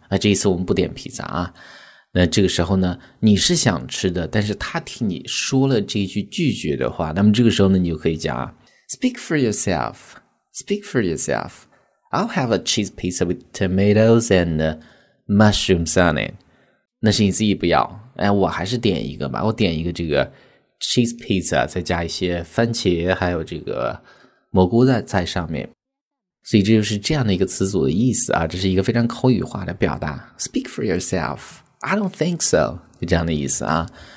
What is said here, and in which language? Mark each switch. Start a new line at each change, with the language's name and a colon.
Chinese: 那这一次我们不点披萨啊。那这个时候呢，你是想吃的，但是他替你说了这一句拒绝的话，那么这个时候呢，你就可以讲
English: Speak for yourself. Speak for yourself. I'll have a cheese pizza with tomatoes and mushrooms on it.
Chinese: 那是你自己不要。哎，我还是点一个吧。我点一个这个 cheese pizza, 再加一些番茄还有这个蘑菇在上面。所以这就是这样的一个词组的意思啊，这是一个非常口语化的表达
English: Speak for yourself I don't think so
Chinese: 就这样的意思啊。